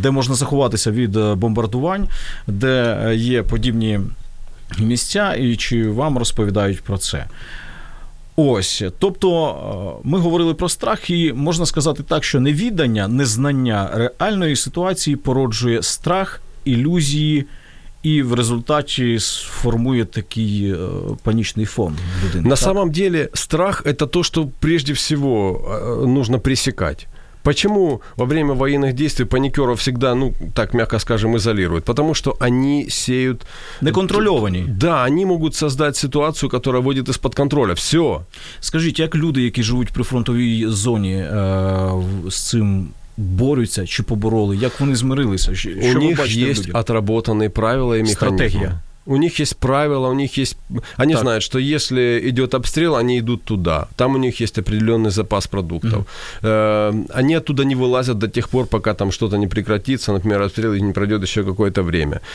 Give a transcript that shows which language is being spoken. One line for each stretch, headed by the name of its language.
Ukrainian: Де можна заховатися від бомбардувань, де є подібні місця, і чи вам розповідають про це. Ось. Тобто, ми говорили про страх, і можна сказати так, що невідання, незнання реальної ситуації породжує страх, ілюзії, і в результаті сформує такий панічний фон в людини.
Russian: На самом деле, страх – это то, что прежде всего нужно пресекать. Почему во время военных действий паникеров всегда, ну, так мягко скажем, изолируют? Потому что они сеют...
Ukrainian: Неконтрольовані.
Russian: Да, они могут создать ситуацию, которая выйдет из-под контроля. Все.
Ukrainian: Скажите, як люди, які живуть при фронтовій зоні, з цим...
Russian: борются,
Ukrainian: чи побороли,
Russian: как они смирились? У них есть люди? Отработанные правила и механизмы. Стратегия. У них есть правила, у них есть... Они так. Знают, что если идет обстрел, они идут туда. Там у них есть определенный запас продуктов. Mm-hmm. Они оттуда не вылазят до тех пор, пока там что-то не прекратится, например, обстрел не пройдет еще какое-то время.